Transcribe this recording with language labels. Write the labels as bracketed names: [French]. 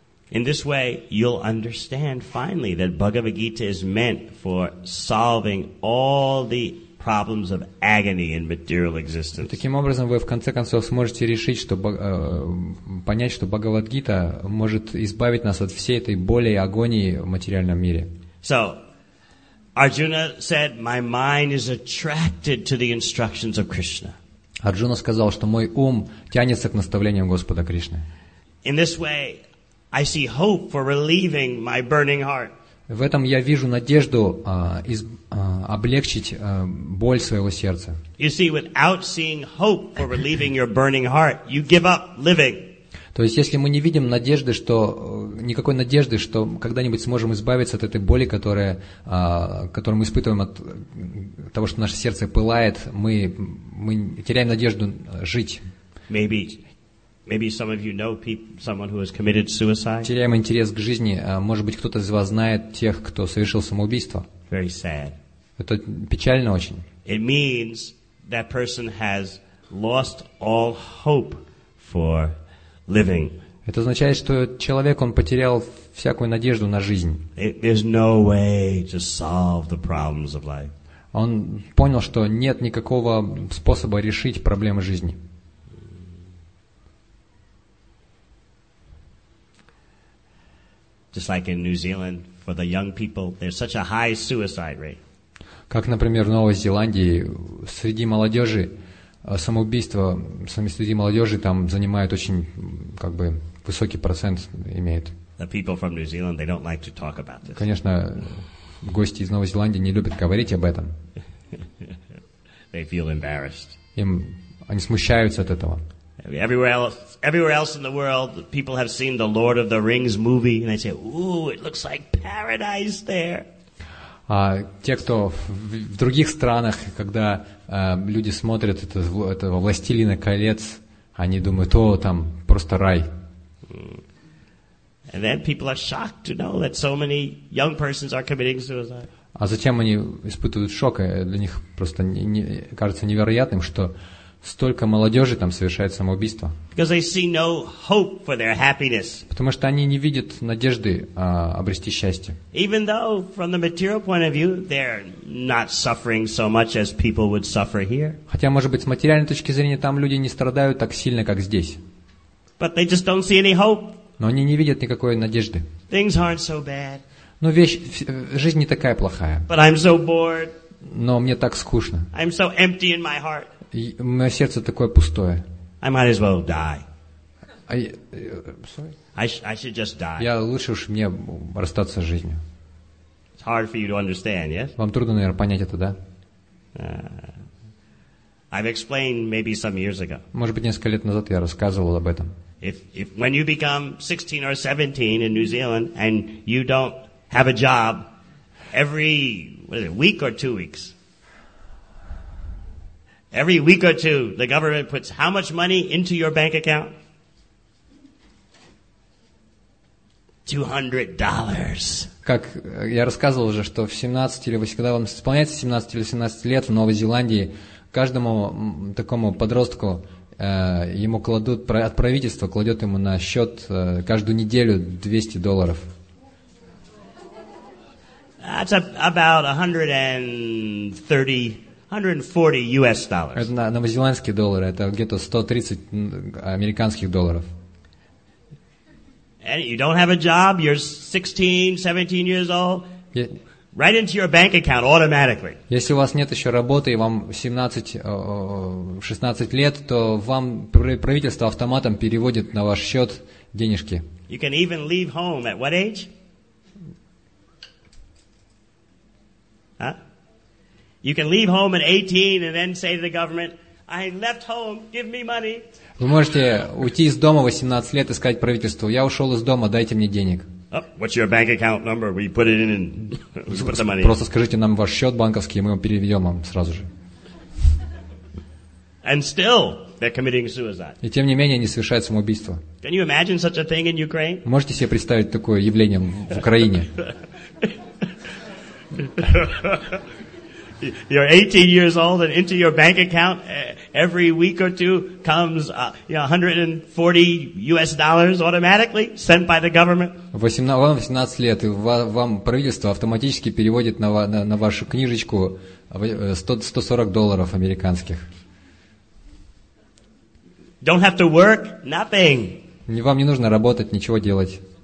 [English] In this way, you'll understand finally that Bhagavad Gita is meant for solving all the problems of agony in material existence. [Russian] Таким образом, вы в конце концов сможете решить, что понять, что Бхагавад-гита может избавить нас от всей этой боли и агонии в материальном мире. [English] So, Arjuna said, "My mind is attracted to the instructions of Krishna." [Russian] Арджуна сказал, что мой ум тянется к наставлениям Господа Кришны. [English] In this way, I see hope for relieving my burning heart. [Russian] В этом я вижу надежду облегчить боль своего сердца. [English] You see, without seeing hope for relieving your burning heart, you give up living. [Russian] То есть, если мы не видим надежды, что никакой надежды, что когда-нибудь сможем избавиться от этой боли, которую мы испытываем от того, что наше сердце пылает, мы теряем надежду жить. [English] Maybe some of you know someone who has committed suicide. [Russian] Теряем интерес к жизни. Может быть, кто-то из вас знает тех, кто совершил самоубийство. [English] Very sad. [Russian] Это печально очень. [English] It means that person has lost all hope for living. [Russian] Это означает, что человек, он потерял всякую надежду на жизнь. [English] There's no way to solve the problems of life. [Russian] Он понял, что нет никакого способа решить проблемы жизни. [English] Just like in New Zealand, for the young people, there's such a high suicide rate. [Russian] Как, например, в Новой Зеландии среди молодежи самоубийство среди молодежи там занимает очень как бы высокий процент имеет. [English] The people from New Zealand, they don't like to talk about this. [Russian] Конечно, гости из Новой Зеландии не любят говорить об этом. [English] They feel embarrassed. [Russian] Им они смущаются от этого. [English] Everywhere else in the world, people have seen the Lord of the Rings movie, and they say, "Ooh, it looks like paradise there." [Russian] Те, кто в других странах, когда люди смотрят этого Властелина колец, они думают, о, там просто рай. [English] And then people are shocked to know that so many young persons are committing suicide. [Russian] А затем они испытывают шок, и для них просто кажется невероятным, что столько молодежи там совершает самоубийство. [English] Because they see no hope for their happiness. [Russian] Потому что они не видят надежды обрести счастье. [English] Even though from the material point of view they're not suffering so much as people would suffer here. [Russian] Хотя, может быть, с материальной точки зрения там люди не страдают так сильно, как здесь. [English] But they just don't see any hope. [Russian] Но они не видят никакой надежды. [English] Things aren't so bad. [Russian] Но жизнь не такая плохая. [English] But I'm so bored. [Russian] Но мне так скучно. [English] I'm so empty in my heart. [Russian] Мое сердце такое пустое. [English] I might as well die. I should just die. [Russian] Я лучше уж мне расстаться с жизнью. [English] It's hard for you to understand, yes? [Russian] Вам трудно, наверное, понять это, да? [English] I've explained maybe some years ago. [Russian] Может быть, несколько лет назад я рассказывал об этом. [English] If when you become 16 or 17 in New Zealand and you don't have a job every week or two, the government puts how much money into your bank account? $200. [Russian] Как я рассказывал уже, что в 17 или 18, когда вам исполняется 17 или 17 лет в Новой Зеландии, каждому такому подростку ему кладут, от правительства кладет ему на счет каждую неделю $200. [English] That's about $130, $140. [Russian] Это новозеландские доллары, это где-то 130 американских долларов. [English] And you don't have a job, you're 16, 17 years old, right into your bank account automatically. [Russian] Если у вас нет еще работы, и вам 16 лет, то вам правительство автоматом переводит на ваш счет денежки. [English] You can even leave home at what age? Huh? You can leave home at 18 and then say to the government, I left home, give me money. [Russian] Вы можете уйти из дома в 18 лет и сказать правительству, я ушел из дома, дайте мне денег. [English] What's your bank account number? We put it in and we put the money. [Russian] Просто скажите нам ваш счет банковский, и мы его переведем вам сразу же. [English] And still, they're committing suicide. [Russian] И тем не менее, они совершают самоубийство. [English] Can you imagine such a thing in Ukraine? [Russian] Можете себе представить такое явление в Украине? [English] You're 18 years old, and into your bank account every week or two comes $140 automatically sent by the government. [Russian] Вам 18 лет, и вам правительство автоматически переводит на вашу книжечку $140 американских. [English] Don't have to work, nothing. [Russian] Вам не нужно работать, ничего делать.